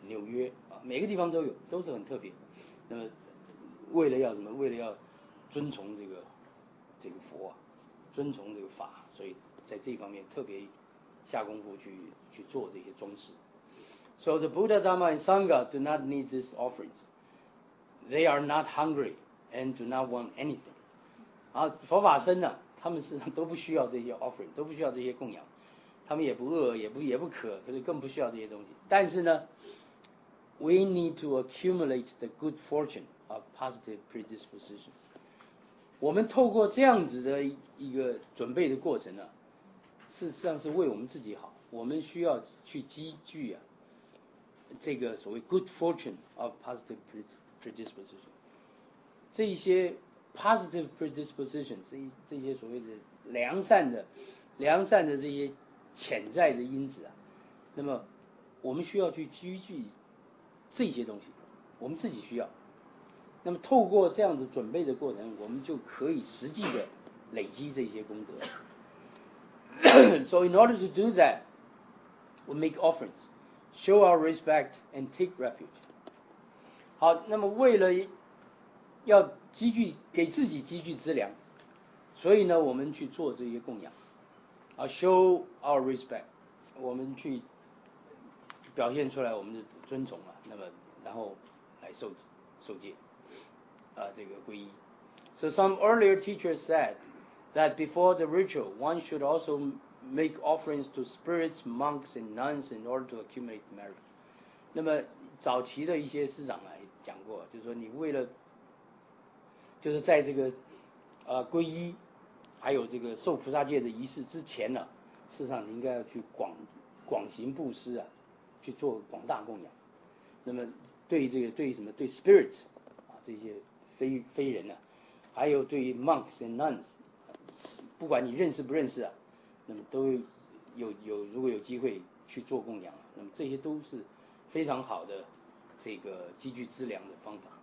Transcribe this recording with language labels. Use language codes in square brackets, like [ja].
[zh] 纽约啊，每个地方都有，都是很特别。那么为了要什么？为了要尊崇这个佛啊，尊崇这个法，所以在这方面特别下功夫去做这些装饰。 [en] So the Buddha, Dhamma, and Sangha do not need these offerings. They are not hungry and do not want anything. [zh] 啊，佛法僧呢、啊，他们是都不需要这些 offering， 都不需要这些供养，他们也不饿，也不渴，可是更不需要这些东西。但是呢 [en] ，we need to accumulate the good fortune of positive predisposition. [zh] 我们透过这样子的一个准备的过程呢、啊，事实上是为我们自己好，我们需要去积聚啊。这个所谓 [en] good fortune of positive predisposition， [zh] 这些 [en] positive predisposition， [zh] 这些所谓的良善的这些潜在的因子啊，那么我们需要去积聚这些东西，我们自己需要。那么透过这样子准备的过程，我们就可以实际的累积这些功德。 [en] So in order to do that, we make offerings, show our respect and take refuge. [zh] 好，那么为了要积聚，给自己积聚资粮，所以呢，我们去做这些供养，啊 ， [en] show our respect， [zh] 我们去表现出来我们的尊崇了、啊，那么然后来受戒，啊，这个皈依。 [en] So some earlier teachers said that before the ritual, one should also make offerings to spirits, monks, and nuns in order to accumulate merit. [zh] 那么早期的一些师长啊讲过，就是说你为了，就是在这个。皈依还有这个受菩萨戒的仪式之前呢、啊、事实上你应该要去广行布施啊，去做广大供养，那么对这个对什么对 spirits、啊、这些非人呢、啊、还有对 [en] monks and nuns [zh] 不管你认识不认识啊，那么都有如果有机会去做供养，那么这些都是非常好的这个积聚资粮的方法。